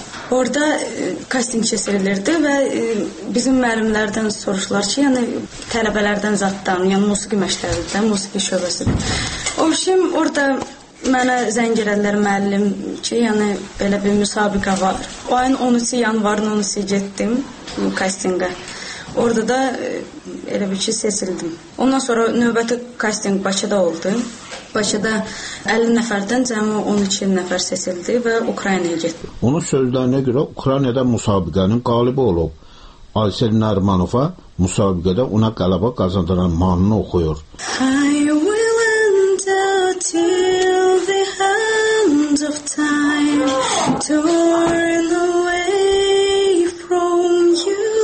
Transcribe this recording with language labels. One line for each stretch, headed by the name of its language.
Azerbaijani: Orada kasting keçirilirdi və bizim müəllimlərdən soruşlar ki, yəni tələbələrdən zatdan, yəni musiqi məşqlərindən, musiqi şöbəsindən. O şim orada mənə zəng elədilər müəllim ki, yəni belə bir müsabiqə var. O ayın 13 yanvarın 13-ü getdim kastingə. Orada da elə bir ki, seçildim. Ondan sonra növbəti kasting Bakıda oldu. Bakıda 50 nəfərdən cəmi 12 nəfər seçildi və Ukraynaya getdi. Onun sözlərinə görə Ukraynada müsabiqənin qalibi olub. Aysel Nərmanova müsabiqədə ona qələbə qazandıran mahnını oxuyur.
English: I will endure till the hands of time torn away from you.